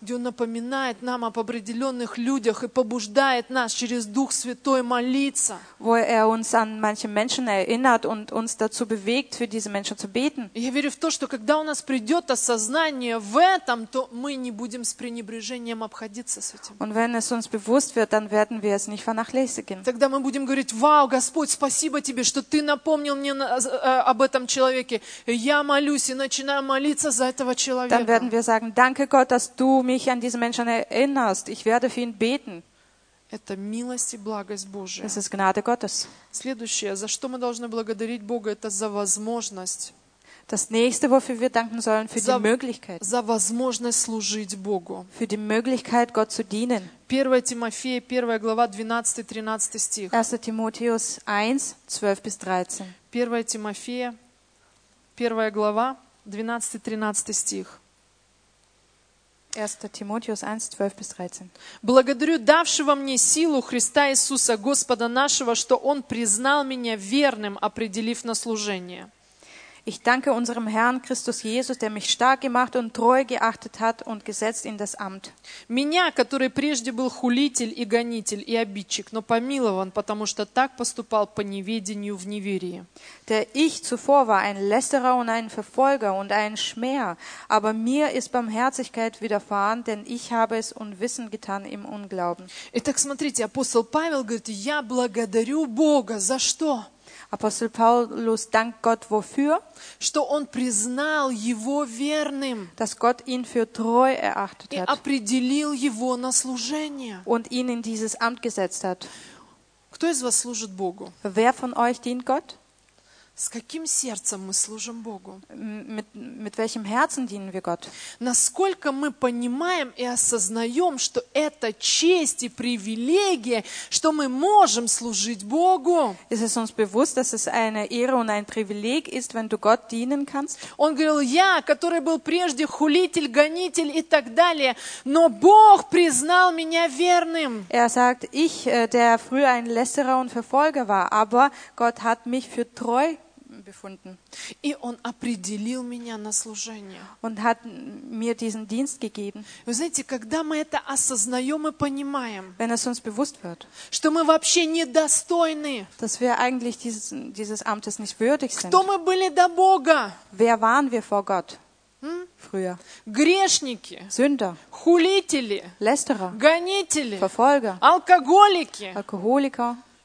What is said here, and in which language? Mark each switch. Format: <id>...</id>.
<ru>Где Он напоминает нам об определенных людях и побуждает нас через Дух Святой молиться.</ru> <de>Wo er uns an manche Menschen erinnert und uns dazu bewegt, für diese Menschen zu beten.</de> <ru>Я верю в то, что когда у нас придет осознание в этом, то мы не будем с пренебрежением обходиться с этим.</ru> <de>Und wenn es uns bewusst wird, dann werden wir es nicht vernachlässigen.</de> <ru>Тогда мы будем говорить: вау, Господь, спасибо тебе, что ты напомнил мне об этом человеке. Я молюсь молюсь и начинаю молиться за этого человека.</ru> <de>Dann werden wir sagen: Danke Gott, dass du mich an diesen Menschen erinnerst. Ich werde für ihn beten.</de> <ru>Это милость и благость Божия.</ru> <de>Es ist Gnade Gottes.</de> <ru>Следующее, за что мы должны благодарить Бога, это за возможность.</ru> <de>Das nächste, wofür wir danken sollen, für die Möglichkeit.</de> <ru>За возможность служить Богу.</ru> <de>Für die Möglichkeit, Gott zu dienen.</de> <ru>1 Тимофея, 1 глава, 12-13 стих.</ru> <de>1 Тимотеус 1, 12-13.</de> <ru>1 Тимофея, 1 глава, 12-13 стих.</ru> <de>1 Тимотеус 1, 12-13.</de> <ru>«Благодарю давшего мне силу Христа Иисуса, Господа нашего, что Он признал меня верным, определив на служение».</ru> <de>Ich danke unserem Herrn Christus Jesus, der mich stark gemacht und treu geachtet hat und gesetzt in das Amt.</de> <ru>Меня, который прежде был хулитель и гонитель и обидчик, но помилован, потому что так поступал по неведению в неверии.</ru> <de>Der ich zuvor war ein Lästerer und ein Verfolger und ein Schmäher, aber mir ist Barmherzigkeit widerfahren, denn ich habe es unwissend getan im Unglauben.</de> <ru>Итак, смотрите, апостол Павел говорит: Я благодарю Бога за что?</ru> <de>Апостол Павлус dankt Gott wofür?</de> <ru>Что он признал его верным.</ru> <de>Dass Gott ihn für treu erachtet hat.</de> <ru>И определил его на служение.</ru> <de>Und ihn in dieses Amt gesetzt hat.</de> <ru>Кто из вас служит Богу?</ru> <de>Wer von euch dient Gott?</de> <ru>С каким сердцем мы служим Богу?</ru> <de>Mit welchem Herzen dienen wir Gott?</de> <ru>Насколько мы понимаем и осознаем, что это честь и привилегия, что мы можем служить Богу?</ru> <de>Ist es uns bewusst, dass es eine Ehre und ein Privileg ist, wenn du Gott dienen kannst?</de> <ru>Он говорил: Я, который был прежде хулитель, гонитель и так далее, но Бог признал меня верным.</ru> <de>Er sagt: Ich, der früher ein Lästerer und Verfolger war, aber Gott hat mich für treu befunden.</de> <ru>И он определил меня на служение.</ru> <de>Und hat mir diesen Dienst gegeben.</de> <ru>Вы знаете, когда мы это осознаем и понимаем,</ru> <de>wenn es uns bewusst wird,</de> <ru>что мы вообще недостойны,</ru> <de>dass wir eigentlich dieses Amtes nicht würdig sind,</de> <ru>кто мы были до Бога,</ru> <de>wer waren wir vor Gott? Früher.</de> <ru>Грешники,</ru> <de>Sünder,</de> <ru>хулители,</ru> <de>Lästerer,</de> <ru>гонители,</ru> <de>Verfolger,</de> <ru>алкоголики,</ru> <de>Alkoholiker,</de>